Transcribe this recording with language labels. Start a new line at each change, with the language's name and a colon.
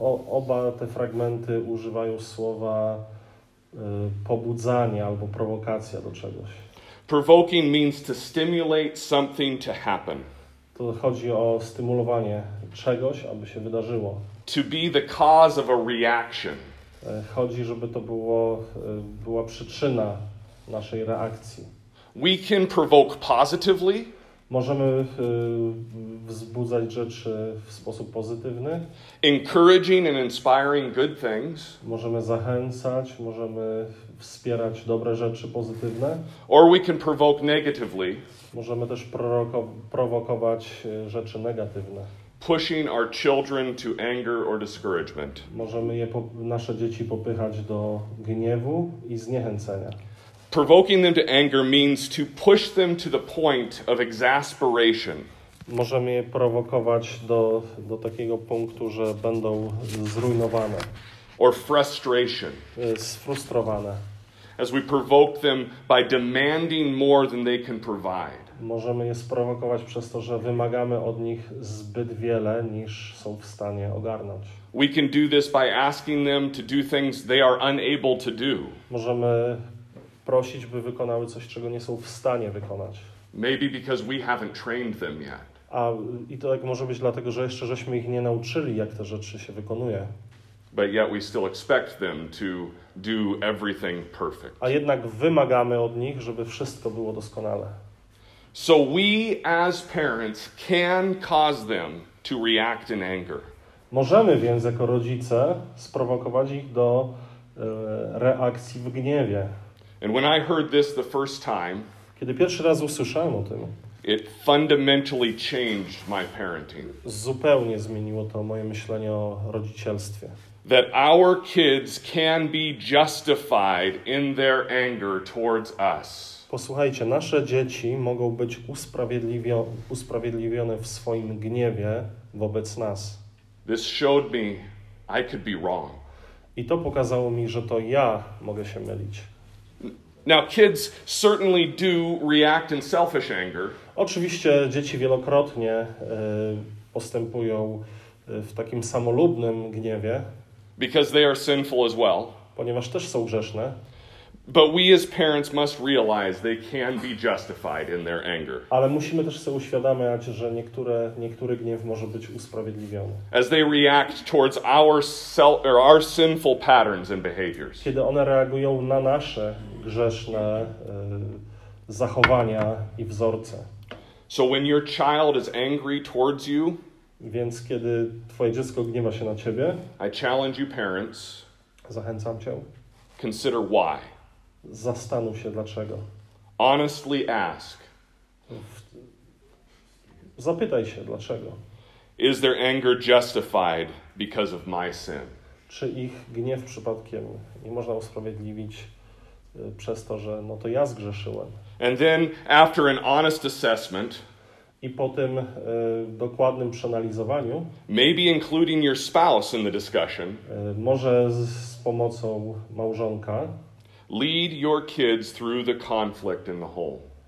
Polish: Oba te fragmenty używają słowa pobudzanie albo prowokacja do czegoś.
English: Provoking means to stimulate something to happen.
Polish: To chodzi o stymulowanie czegoś, aby się wydarzyło.
English: To be the cause of a reaction.
Polish: Chodzi, żeby to była przyczyna naszej reakcji.
English: We can provoke positively.
Polish: Możemy wzbudzać rzeczy w sposób pozytywny.
English: Encouraging and inspiring good things.
Polish: Możemy zachęcać, możemy wspierać dobre rzeczy pozytywne.
English: Or we can provoke negatively.
Polish: Możemy też prowokować rzeczy negatywne.
English: Pushing our children to anger or discouragement.
Polish: Możemy nasze dzieci popychać do gniewu i zniechęcenia.
English: Provoking them to anger means to push them to the point of exasperation.
Polish: Możemy je prowokować do takiego punktu, że będą zrujnowane.
English: Or frustration.
Polish: Sfrustrowane.
English: As we provoke them by demanding more than they can provide.
Polish: Możemy je sprowokować przez to, że wymagamy od nich zbyt wiele, niż są w stanie ogarnąć.
English: We can do this by asking them to do things they are unable to do.
Polish: Możemy prosić, by wykonały coś, czego nie są w stanie wykonać.
English: Maybe because we haven't trained them yet.
Polish: I to tak może być dlatego, że jeszcze żeśmy ich nie nauczyli, jak te rzeczy się wykonuje.
English: But yet we still expect them to do everything perfect.
Polish: A jednak wymagamy od nich, żeby wszystko było doskonale.
English: So we as parents can cause them to react in anger.
Polish: Możemy więc jako rodzice sprowokować ich do reakcji w gniewie.
English: And when I heard this the first time,
Polish: kiedy pierwszy raz usłyszałem o tym,
English: it fundamentally changed my parenting.
Polish: Zupełnie zmieniło to moje myślenie o rodzicielstwie.
English: That our kids can be justified in their anger towards us.
Polish: Posłuchajcie, nasze dzieci mogą być usprawiedliwione w swoim gniewie wobec nas.
English: This showed me I could be wrong.
Polish: I to pokazało mi, że to ja mogę się mylić.
English: Now kids certainly do react in selfish anger.
Polish: Oczywiście dzieci wielokrotnie postępują w takim samolubnym gniewie.
English: Because they are sinful as well.
Polish: Ponieważ też są grzeszne.
English: But we as parents must realize they can be justified in their anger.
Polish: Ale musimy też sobie uświadamiać, że niektóry gniew może być usprawiedliwiony.
English: As they react towards our sinful patterns and behaviors.
Polish: Kiedy one reagują na nasze grzeszne zachowania i wzorce.
English: So when your child is angry towards you,
Polish: więc kiedy twoje dziecko gniewa się na ciebie,
English: I challenge you parents,
Polish: zachęcam cię,
English: consider why.
Polish: Zastanów się dlaczego.
English: Honestly ask.
Polish: Zapytaj się dlaczego.
English: Is their anger justified because of my sin?
Polish: Czy ich gniew przypadkiem nie można usprawiedliwić przez to, że no to ja zgrzeszyłem.
English: And then after an honest assessment,
Polish: i po tym dokładnym przeanalizowaniu,
English: maybe including your spouse in the discussion,
Polish: może z pomocą małżonka,
English: lead your kids through the conflict in the home.